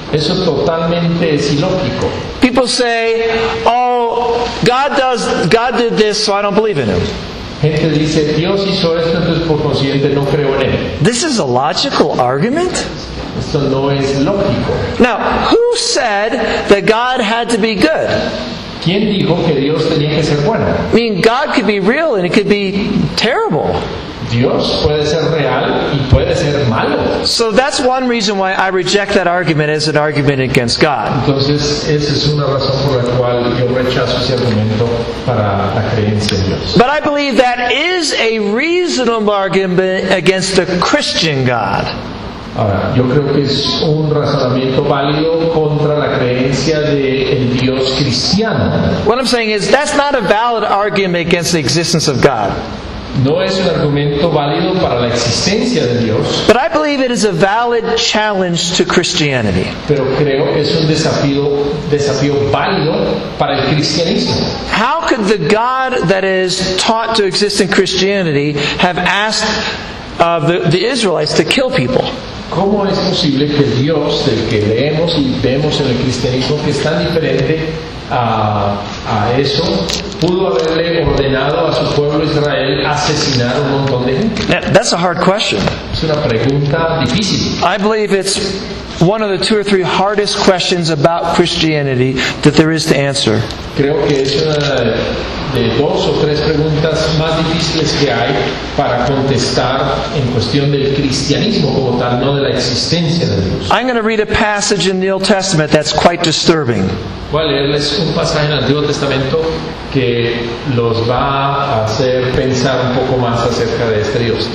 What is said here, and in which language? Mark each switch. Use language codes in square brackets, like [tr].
[es] Eso totalmente es ilógico. [en] People say, "Oh, God did this, so I don't believe in Him." [es] Gente dice, Dios hizo esto, entonces por consiguiente no creo en Él. [en] This is a logical argument? [es] Esto no es lógico. [en] Now, who said that God had to be good? [es] ¿Quién dijo que Dios tenía que ser bueno? [en] I mean, God could be real and it could be terrible. [es] Dios puede ser real y puede ser malo. [en] So that's one reason why I reject that argument as an argument against God. [es] Entonces, esa es una razón por la cual yo rechazo ese argumento para la creencia en Dios. [en] But I believe that is a reasonable argument against a Christian God. [es] Ahora, yo creo que es un razonamiento válido contra la creencia de el Dios cristiano. [en] What I'm saying is that's not a valid argument against the existence of God. [es] No es un argumento válido para la existencia de Dios. [en] But I believe it is a valid challenge to Christianity. [es] Pero creo que es un desafío válido para el cristianismo. [en] How could the God that is taught to exist in Christianity have asked the Israelites to kill people? [es] ¿Cómo es posible que Dios, del que leemos y vemos en el cristianismo, que es tan diferente a eso, pudo haberle ordenado a su pueblo Israel asesinar a un montón de gente? [en] Now, that's a hard question. [es] Es una pregunta difícil. [en] I believe it's one of the two or three hardest questions about Christianity that there is to answer. [es] Creo que es una de dos o tres preguntas más difíciles que hay para contestar en cuestión del cristianismo como tal, no de la existencia de Dios. [en] I'm going to read a passage in the Old Testament that's quite disturbing. [es] Voy a leerles un pasaje en el Antiguo Testamento que los va a hacer pensar un poco más acerca de este Dios.